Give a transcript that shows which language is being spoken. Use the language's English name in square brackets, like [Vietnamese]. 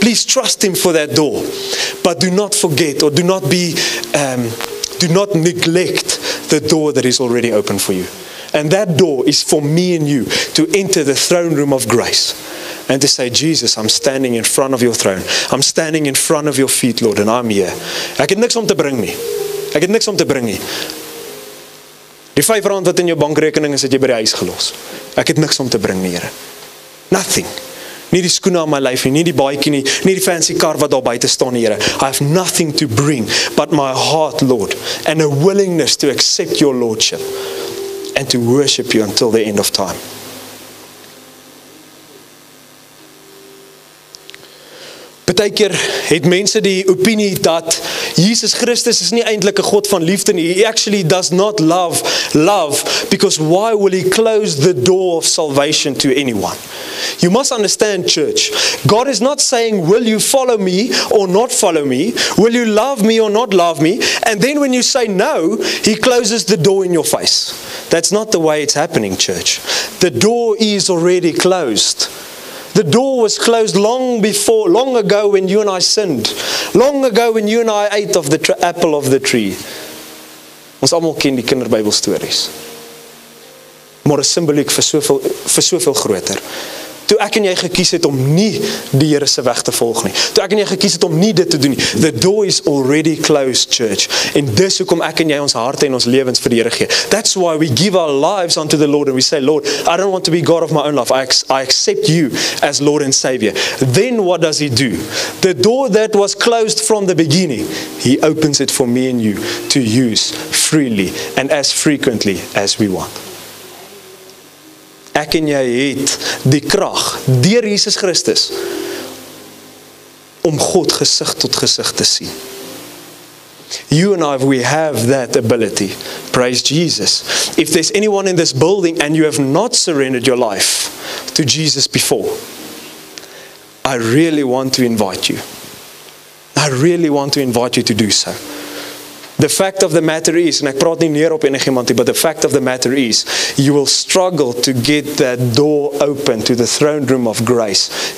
[English] Please trust Him for that door. But do not forget or do not neglect the door that is already open for you. And that door is for me and you to enter the throne room of grace. And to say, Jesus, I'm standing in front of your throne. I'm standing in front of your feet, Lord, and I'm here. [Afrikaans] Ek het niks om te bring nie. Ek het niks om te bring nie. Die R5 wat in jou bankrekening is, het jy by die huis gelos. Ek het niks om te bring nie, Here. Nothing. Nie die skoene aan my lyf nie, nie die baadjie nie, nie die fancy kar wat daar buite staan nie, Here. [English] I have nothing to bring but my heart, Lord, and a willingness to accept your lordship and to worship you until the end of time. [Afrikaans] Partykeer het mense die opinie dat Jesus Christus is nie eintlik 'n God van liefde nie. [English] He actually does not love because why will he close the door of salvation to anyone? You must understand, church, God is not saying, will you follow me or not follow me? Will you love me or not love me? And then when you say no, he closes the door in your face. That's not the way it's happening, church. The door is already closed. The door was closed long ago when you and I sinned. Long ago when you and I ate of the apple of the tree. [Afrikaans] Ons almal ken die kinderbybel stories. Maar is simboliek vir soveel groter. Toe ek en jy gekies het om nie die Here se weg te volg nie. Toe ek en jy gekies het om nie dit te doen nie. [English] The door is already closed, church. [Afrikaans] En dis hoekom ek en jy ons harte en ons lewens vir die Here gee. [English] That's why we give our lives unto the Lord and we say, Lord, I don't want to be God of my own life. I accept you as Lord and Savior. Then what does he do? The door that was closed from the beginning, he opens it for me and you to use freely and as frequently as we want. [Afrikaans] Ek en jy het die krag deur Jesus Christus om God gesig tot gesig te sien. [English] You and I, we have that ability. Praise Jesus. If there's anyone in this building and you have not surrendered your life to Jesus before, I really want to invite you. I really want to invite you to do so. The fact of the matter is, and [Afrikaans] ek praat nie neer op enigiemand nie, [English] but the fact of the matter is, you will struggle to get that door open to the throne room of grace.